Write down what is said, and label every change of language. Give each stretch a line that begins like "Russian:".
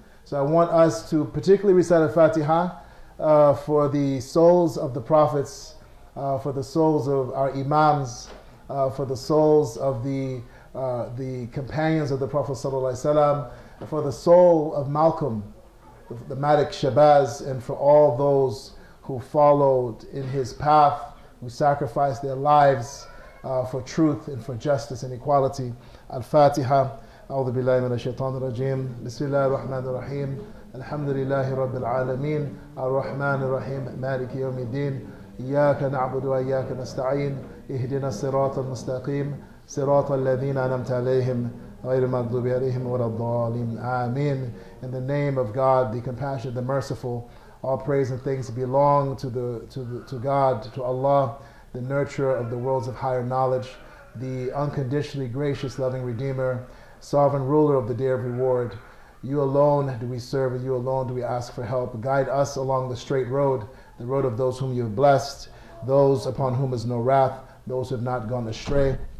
English: So I want us to particularly recite Al-Fatiha for the souls of the prophets, for the souls of our imams, for the souls of the companions of the Prophet sallallahu alaihi wasallam, for the soul of Malcolm, the Malik Shabazz, and for all those who followed in his path, who sacrificed their lives for truth and for justice and equality. Al-Fatiha.
Arabic: أعوذ بالله من الشيطان الرجيم بسم الله الرحمن الرحيم الحمد لله رب العالمين الرحمن الرحيم مالك يوم الدين إياك نعبد وإياك نستعين اهدنا الصراط المستقيم صراط الذين أنعمت عليهم غير المغضوب عليهم ولا الضالين آمين.
English: In the name of God, the Compassionate, the Merciful, all praise and thanks belong to God, to Allah, the nurturer of the worlds of higher knowledge, the unconditionally gracious, loving Redeemer, Sovereign Ruler of the Day of Reward. You alone do we serve, and you alone do we ask for help. Guide us along the straight road, the road of those whom you have blessed, those upon whom is no wrath, those who have not gone astray.